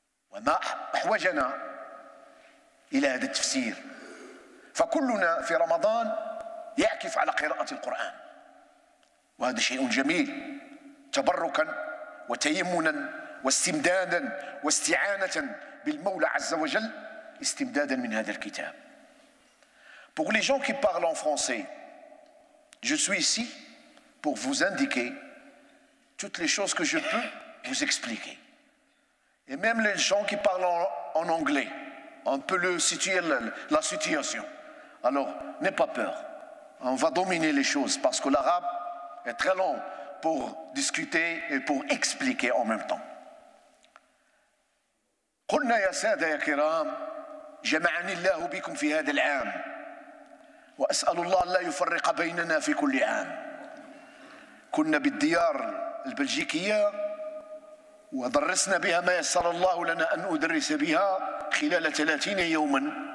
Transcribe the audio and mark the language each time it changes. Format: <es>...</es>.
<ar>وما أحوجنا إلى هذا التفسير، فكلنا في رمضان يعكف على قراءة القرآن، وهذا شيء جميل، تبركا وتيمنا واستمدادا واستعانة بالمولى عز وجل، استمدادا من هذا الكتاب.</ar> <fr>Pour les gens qui parlent en français, je suis ici pour vous indiquer toutes les choses que je peux vous expliquer. Et même les gens qui parlent en anglais, on peut le situer la situation. Alors, n'aie pas peur. On va dominer les choses parce que l'arabe est très long pour discuter et pour expliquer en même temps.</fr> <ar>قلنا يا سادة يا كرام، جمعني الله بكم في هذا العام، وأسأل الله لا يفرق بيننا في كل عام. كنا بالديار البلجيكية ودرسنا بها ما يسر الله لنا أن أدرس بها خلال 30 يوماً</ar>